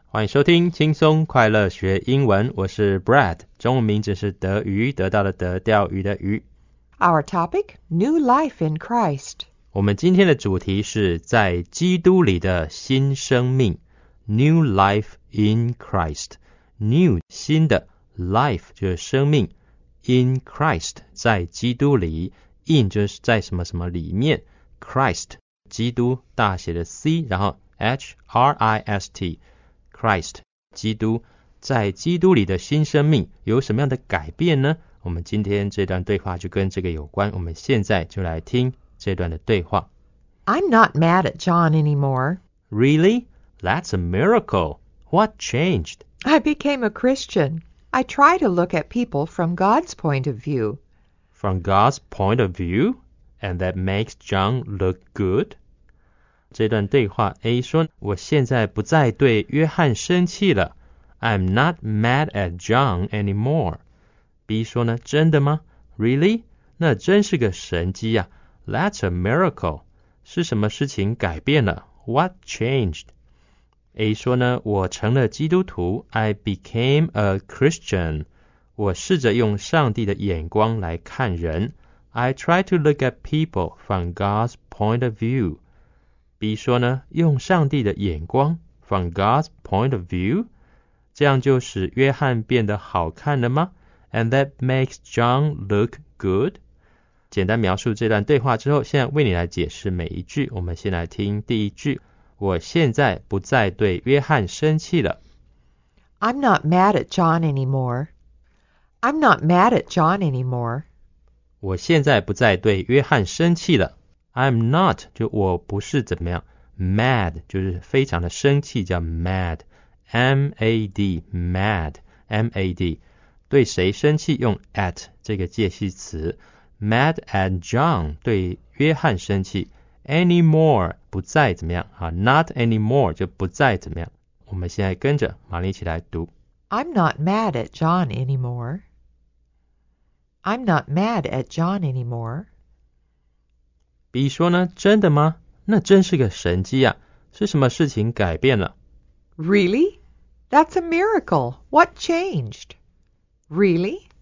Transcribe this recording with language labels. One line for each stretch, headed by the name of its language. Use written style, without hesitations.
Chinese: 欢迎收听轻松快乐学英文。我是 Brad. 中文名字是德鱼，得到的德，钓鱼的鱼。
English: Our topic, new life in Christ.
Chinese: 我们今天的主题是在基督里的新生命。
English: New life in Christ. New,
Chinese: 新的
English: life,
Chinese: 就是生命。
English: In Christ,
Chinese: 在基督里。In, 就是在什么什么里面。
English: Christ.
Chinese: 基督大写的 C, 然后 H-R-I-S-T, Christ, 基督在基督里的新生命有什么样的改变呢？我们今天这段对话就跟这个有关，我们现在就来听这段的对话。
English: I'm not mad at John anymore. Really? That's a miracle. What changed? I became a Christian. I try to look at people from God's point of view. From God's point of view? And that makes John look good.
Chinese: 这段对话 A 说，我现在不再对约翰生气了。
English: I'm not mad at John anymore.
Chinese: B 说呢，真的吗？
English: Really?
Chinese: 那真是个神迹啊。
English: That's a miracle.
Chinese: 是什么事情改变了？
English: What changed?
Chinese: A 说呢，我成了基督徒。
English: I became a Christian.
Chinese: 我试着用上帝的眼光来看人。
English: I try to look at people from God's point of view.
Chinese: B 说呢，用上帝的眼光 ,
English: from God's point of view,
Chinese: 这样就使约翰变得好看了吗？
English: And that makes John look good.
Chinese: 简单描述这段对话之后，现在为你来解释每一句。我们先来听第一句。我现在不再对约翰生气了。
English: I'm not mad at John anymore. I'm not mad at John anymore.
Chinese: 我现在不再对约翰生气了。
English: I'm not,
Chinese: 就我不是怎么样。 Mad, 就是非常的生气，叫 mad。
English: M-A-D, mad, M-A-D。
Chinese: 对谁生气用 at 这个介系词。
English: Mad at John,
Chinese: 对约翰生气。 Anymore, 不再怎么样。
English: Not anymore,
Chinese: 就不再怎么样。我们现在跟着玛丽一起来读。
English: I'm not mad at John anymore. I'm not mad at John anymore.
Chinese: B 说呢，真的吗？那真是个神迹啊！是什么事情改变了？
English: Really? That's a miracle. What changed? Really?